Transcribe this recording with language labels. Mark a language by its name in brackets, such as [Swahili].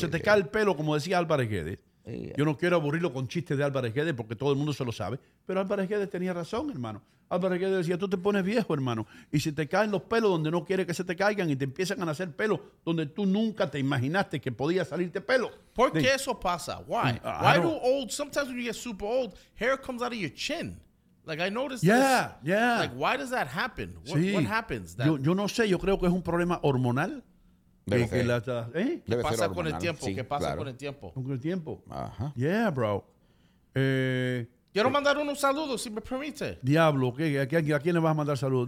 [Spanish] Se te cae el pelo, como decía Álvarez Guedes. Yo no quiero aburrirlo con chistes de Álvarez Guedes porque todo el mundo se lo sabe, pero Álvarez Guedes tenía razón, hermano. Álvarez Guedes decía, tú te pones viejo, hermano, y si te caen los pelos donde no quieres que se te caigan y te empiezan a nacer pelos donde tú nunca te imaginaste que podía salirte pelo. ¿Por qué eso pasa? Why? [English] Why do old, sometimes when you get super old, hair comes out of your chin? Like, I noticed this. Yeah, yeah. Like, why does that happen? What happens? That... [Spanish] Yo no sé, yo creo que es un problema hormonal. ¿Qué pasa con el tiempo? Sí, ¿qué pasa con el tiempo? Con el tiempo. Ajá. [English] Yeah, bro. [Spanish] Quiero mandar unos saludos, si me permite. Diablo, ¿a quién le vas a mandar saludos?